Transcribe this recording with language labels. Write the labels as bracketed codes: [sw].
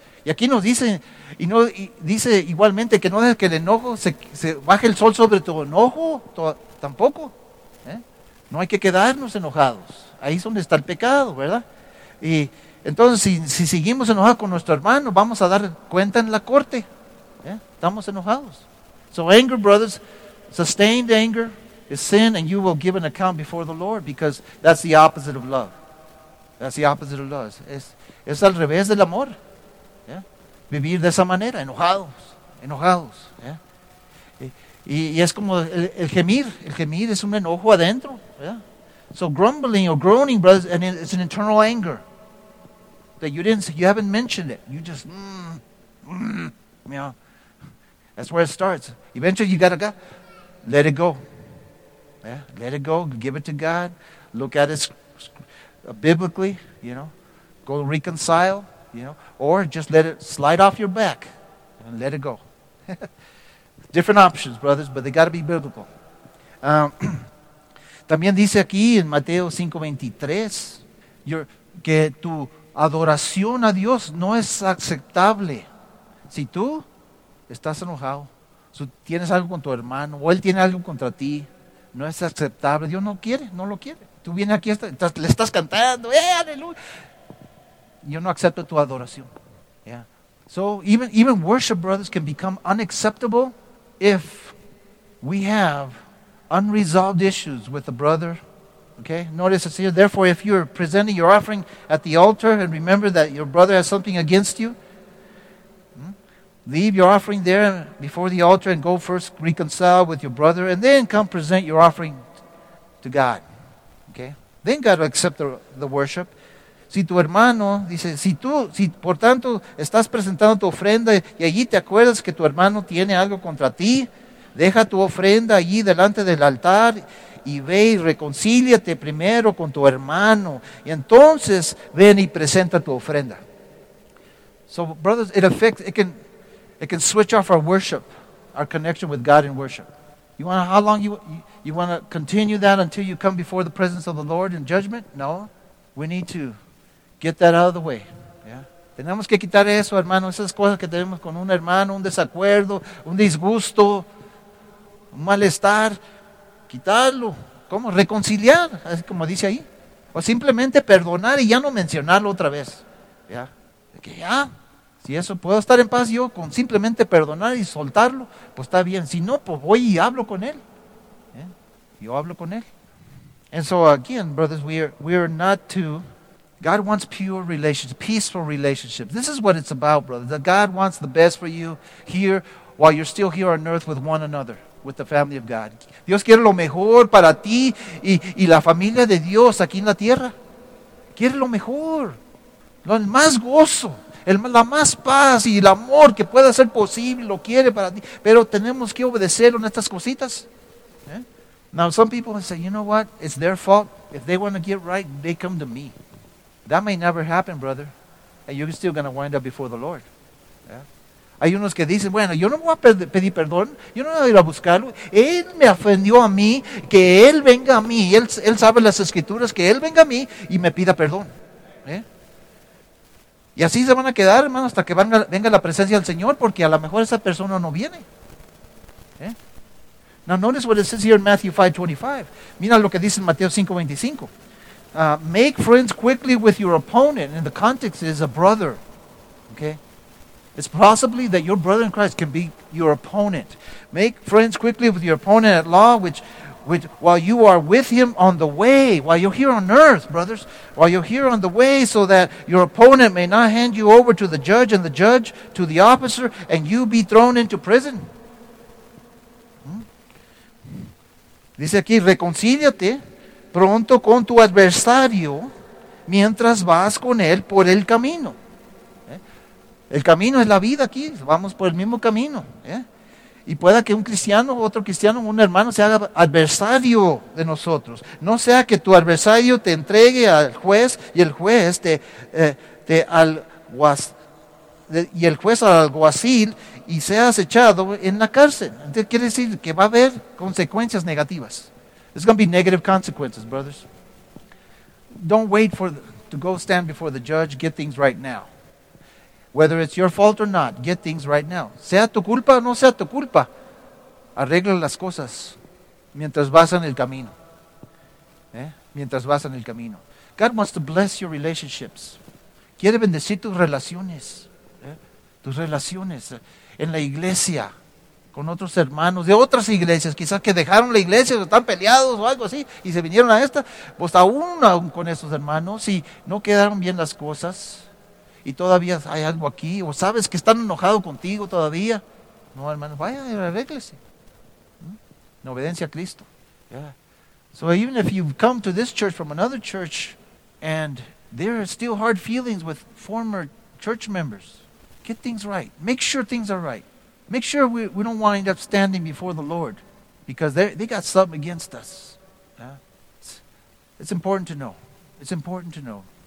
[es] Y aquí nos dice, dice igualmente que no dejes que el enojo, se baje el sol sobre tu enojo, tampoco. ¿Eh? No hay que quedarnos enojados. Ahí es donde está el pecado, ¿verdad? Y Entonces, si seguimos enojados con nuestro hermano, vamos a dar cuenta en la corte. ¿Eh? Estamos enojados. [en] So anger, brothers, sustained anger is sin, and you will give an account before the Lord, because that's the opposite of love. That's the opposite of love. [es] Es al revés del amor. ¿Eh? Vivir de esa manera, enojados, enojados. ¿Eh? Y es como el gemir es un enojo adentro. ¿Eh? [en] So grumbling or groaning, brothers, and it's an internal anger. That you haven't mentioned it. You just, you know, that's where it starts. Eventually, you got to go. Let it go. Yeah, let it go. Give it to God. Look at it biblically, you know. Go reconcile, you know. Or just let it slide off your back and let it go. Different options, brothers, but they got to be biblical. [es] también dice aquí en Mateo 5:23, que tu adoración a Dios no es aceptable. Si tú estás enojado, si tienes algo con tu hermano, o él tiene algo contra ti, no es aceptable. Dios no quiere, no lo quiere. Tú vienes aquí, le estás cantando, aleluya. Yo no acepto tu adoración. Yeah. [en] So even worship, brothers, can become unacceptable if we have unresolved issues with the brother. Okay, notice it's here. Therefore, if you're presenting your offering at the altar and remember that your brother has something against you, leave your offering there before the altar and go first reconcile with your brother and then come present your offering to God. Okay, then God will accept the worship. [es] Si tu hermano, dice, si por tanto estás presentando tu ofrenda y allí te acuerdas que tu hermano tiene algo contra ti, deja tu ofrenda allí delante del altar y ve y reconcíliate primero con tu hermano. Y entonces ven y presenta tu ofrenda. [en] So, brothers, it can switch off our worship, our connection with God in worship. You want how long you want to continue that until you come before the presence of the Lord in judgment? No. We need to get that out of the way. [es] Yeah. Tenemos que quitar eso, hermano. Esas cosas que tenemos con un hermano, un desacuerdo, un disgusto, un malestar. Quitarlo, ¿cómo? Reconciliar, así como dice ahí. O simplemente perdonar y ya no mencionarlo otra vez. ¿Ya? Que ya, si eso puedo estar en paz yo con simplemente perdonar y soltarlo, pues está bien. Si no, pues voy y hablo con él. ¿Eh? Yo hablo con él. [en] And so again, brothers, we are not to... God wants pure relationships, peaceful relationships. This is what it's about, brothers. That God wants the best for you here while you're still here on earth with one another. With the family of God. [es] Dios quiere lo mejor para ti y la familia de Dios aquí en la tierra. Quiere lo mejor. El más gozo. La más paz y el amor que pueda ser posible. Lo quiere para ti. Pero tenemos que obedecerlo en estas cositas. ¿Eh? [en] Now some people say, you know what? It's their fault. If they want to get right, they come to me. That may never happen, brother. And you're still going to wind up before the Lord. [es] Hay unos que dicen, bueno, yo no voy a pedir perdón, yo no voy a ir a buscarlo. Él me ofendió a mí, que él venga a mí, él sabe las escrituras, que él venga a mí y me pida perdón. ¿Eh? Y así se van a quedar, hermano, hasta que venga la presencia del Señor, porque a lo mejor esa persona no viene. ¿Eh? [en] Now notice what it says here in Matthew 5:25. [es] Mira lo que dice en Mateo 5:25. [en] Make friends quickly with your opponent, and the context is a brother. Okay. It's possibly that your brother in Christ can be your opponent. Make friends quickly with your opponent at law, which while you are with him on the way, while you're here on earth, brothers, while you're here on the way, so that your opponent may not hand you over to the judge and the judge to the officer and you be thrown into prison. [es] Dice aquí, reconcíliate pronto con tu adversario mientras vas con él por el camino. El camino es la vida aquí, vamos por el mismo camino. ¿Eh? Y pueda que un cristiano, otro cristiano, un hermano se haga adversario de nosotros. No sea que tu adversario te entregue al juez y el juez al alguacil y seas echado en la cárcel. Entonces quiere decir que va a haber consecuencias negativas. [en] There's going to be negative consequences, brothers. Don't wait to go stand before the judge, get things right now. Whether it's your fault or not, get things right now. [es] Sea tu culpa o no sea tu culpa, arregla las cosas mientras vas en el camino. ¿Eh? Mientras vas en el camino. [en] God wants to bless your relationships. [es] quiere bendecir tus relaciones, tus relaciones en la iglesia, con otros hermanos de otras iglesias, quizás que dejaron la iglesia, o están peleados o algo así, y se vinieron a esta, pues aún con esos hermanos, y no quedaron bien las cosas, y todavía hay algo aquí, o sabes que están enojados contigo todavía. No, hermano, vaya y arréglese. En obediencia a Cristo. Yeah. [en] So even if you've come to this church from another church, and there are still hard feelings with former church members, get things right. Make sure things are right. Make sure we don't wind up standing before the Lord, because they got something against us. Yeah. It's important to know. It's important to know.